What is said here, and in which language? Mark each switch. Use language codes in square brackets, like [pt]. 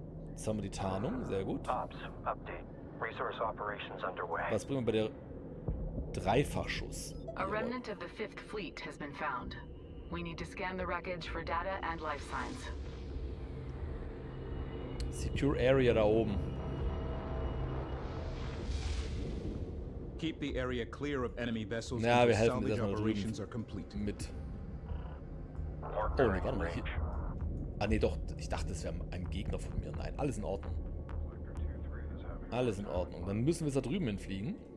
[de] Jetzt haben wir die Tarnung, sehr gut. Was bringen wir bei der Dreifachschuss? [en] A remnant of the 5th Fleet has been found. We need to scan the wreckage for data and life signs. Secure area [de] da oben. [en] Keep the area clear of enemy vessels. [de] Na, wir helfen dir erstmal drüben mit. Oh, ne, warte mal. Ah, ne, doch. Ich dachte, es wäre ein Gegner von mir. Nein, alles in Ordnung. Alles in Ordnung. Dann müssen wir es da drüben hinfliegen.